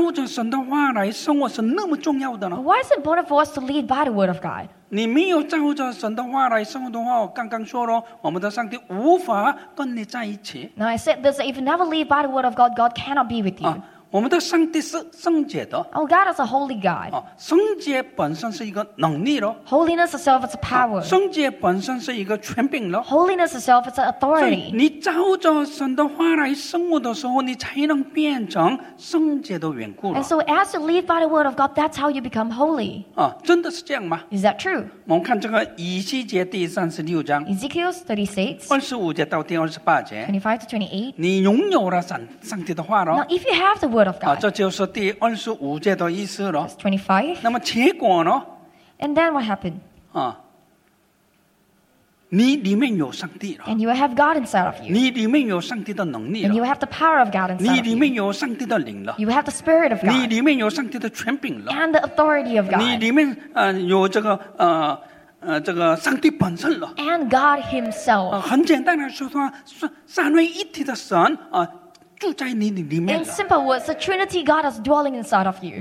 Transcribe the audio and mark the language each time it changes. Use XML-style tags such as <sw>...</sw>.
<zh>还有为什么我们这个照着神的话来生活是那么重要的呢?</zh> <en>Why is it important for us to live by the word of God?</en> <zh>你没有照着神的话来生活的话，我刚刚说了，我们的上帝无法跟你在一起。</zh> <en>Now I said this, if you never live by the word of God, God cannot be with you.</en> <zh>我们的上帝是圣洁的。</zh> <en>Our God is a holy God.</en> <zh>圣洁本身是一个能力咯。</zh> <en>Holiness itself is a power.</en> <zh>圣洁本身是一个权柄咯。</zh> <en>Holiness itself is an authority.</en> <zh>你照着神的话来生活的时候，你才能变成圣洁的缘故了。</zh> <en>And so as you live by the word of God, that's how you become holy.</en> <zh>真的是这样吗？</zh> <en>Is that true?</en> <zh>我们看这个以西结第36章。</zh> <en>Ezekiel 36.</en> <zh>25节到第28节。</zh> <en>25 to 28.</en> <zh>你拥有了上帝的话咯。</zh> <en>Now if you have the word of God.</en> <zh>这就是第25节的意思了。</zh> <en>That's 25.</en> <zh>那么结果呢?</zh> <en>And then what happened?</en> <zh>你里面有上帝了。</zh> <en>And you will have God inside of you.</en> <zh>你里面有上帝的能力了。</zh> <en>And you will have the power of God inside of you.</en> <zh>你里面有上帝的灵了。</zh> <en>You will have the spirit of God.</en> <zh>你里面有上帝的权柄了。</zh> <en>And the authority of God.</en> <zh>你里面有这个 这个上帝本身了。</zh> <en>And God himself.</en> <zh>很简单来说，三位一体的神</zh> <en>In simple words, the Trinity God is dwelling inside of you.</en>